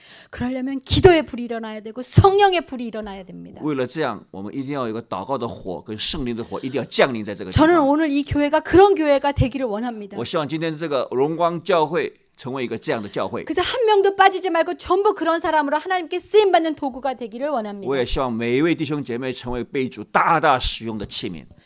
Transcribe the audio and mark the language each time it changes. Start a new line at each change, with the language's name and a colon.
Korean: 그러려면 기도의 불이 일어나야 되고 성령의 불이 일어나야 됩니다.
Chinese: 为了这样，我们一定要有一个祷告的火跟圣灵的火一定要降临在这个地方。
Korean: 저는 오늘 이 교회가 그런 교회가 되기를 원합니다.
Chinese: 我希望今天这个荣光教会 成为一个这样的教会。
Korean: 그래서 한 명도 빠지지 말고 전부 그런 사람으로 하나님께 쓰임 받는 도구가 되기를 원합니다.
Chinese: 我也希望每一位弟兄姐妹成为被主大大使用的器皿。